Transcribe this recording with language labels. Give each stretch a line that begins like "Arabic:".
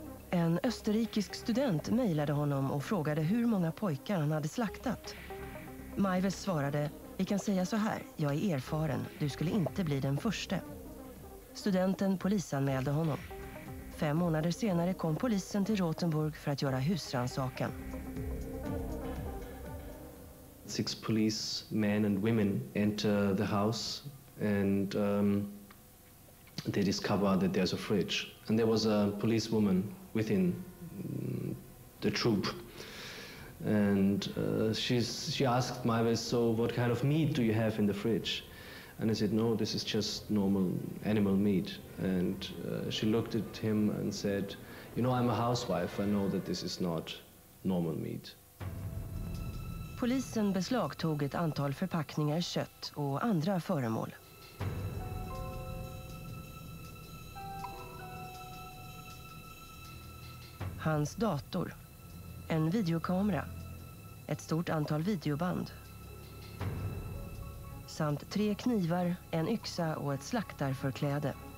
Swedish: En österrikisk student mejlade honom och frågade hur många pojkar han hade slaktat. Maives svarade, vi kan säga så här, jag är erfaren, du skulle inte bli den första. Studenten polisanmälde honom. Fem månader senare kom polisen till Rothenburg för att göra husrannsakan.
English: Six police men and women enter the house and they discover that there's a fridge. And there was a police woman within the troop. And she asked Maives, so what kind of meat do you have in the fridge? And I said, no, this is just normal animal meat. And she looked at him and said, you know, I'm a housewife. I know that this is not normal meat.
Swedish: Polisen beslagtog ett antal förpackningar kött och andra föremål. Hans dator, en videokamera, ett stort antal videoband samt tre knivar, en yxa och ett slaktarförkläde.